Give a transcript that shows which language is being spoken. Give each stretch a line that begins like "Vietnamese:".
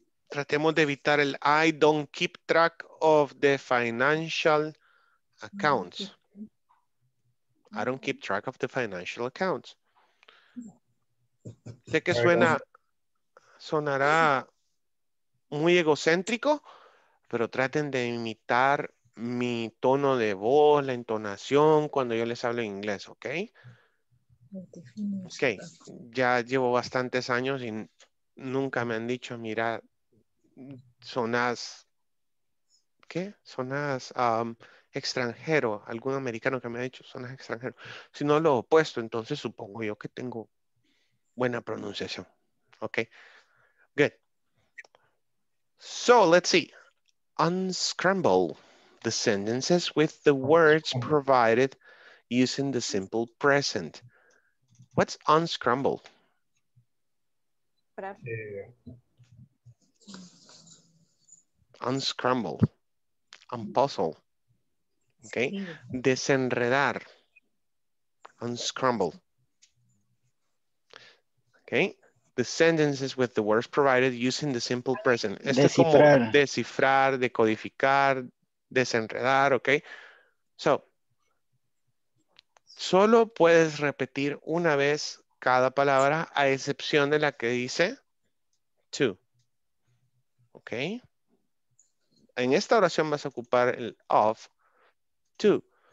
Spanish: Tratemos de evitar el
English: I don't keep track of the financial accounts. I don't keep track of the financial accounts.
Spanish: Sé que suena, sonará muy egocéntrico, pero traten de imitar mi tono de voz, la entonación cuando yo les hablo en inglés, ¿ok? Ok, ya llevo bastantes años y nunca me han dicho, mira, sonas, ¿qué? Sonas extranjero, algún americano que me ha dicho, sonas extranjero, sino lo opuesto, entonces supongo yo que tengo buena pronunciación, ¿ok?
English: Good. So, let's see. Unscramble the sentences with the words provided using the simple present. What's unscrambled? Unscrambled. Unpuzzle. Okay.
Spanish: Desenredar.
English: Unscrambled. Okay. The sentences with the words provided using the simple present.
Spanish: Este descifrar. Como descifrar, decodificar, desenredar, ok. So, solo puedes repetir una vez cada palabra, a excepción de la que dice to. Ok. En esta oración vas a ocupar el of to.